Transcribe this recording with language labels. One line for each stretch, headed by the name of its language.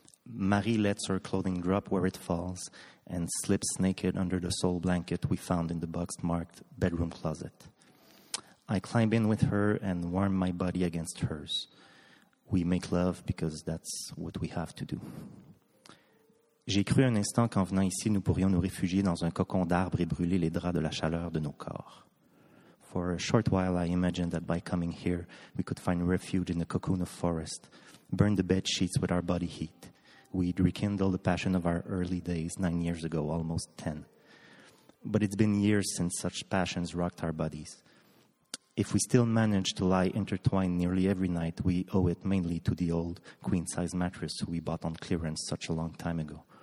English: Marie lets her clothing drop where it falls and slips naked under the sole blanket we found in the box marked bedroom closet. I climb in with her and warm my body against hers. We make love because that's what we have to do.
French: J'ai cru un instant qu'en venant ici, nous pourrions nous réfugier dans un cocon d'arbre et brûler les draps de la chaleur de nos corps.
English: For a short while, I imagined that by coming here, we could find refuge in a cocoon of forest, burn the bed sheets with our body heat, We'd rekindle the passion of our early days 9 years ago, almost 10. But it's been years since such passions rocked our bodies. If we still manage to lie intertwined nearly every night, we owe it mainly to the old queen-size mattress we bought on clearance such a long time ago.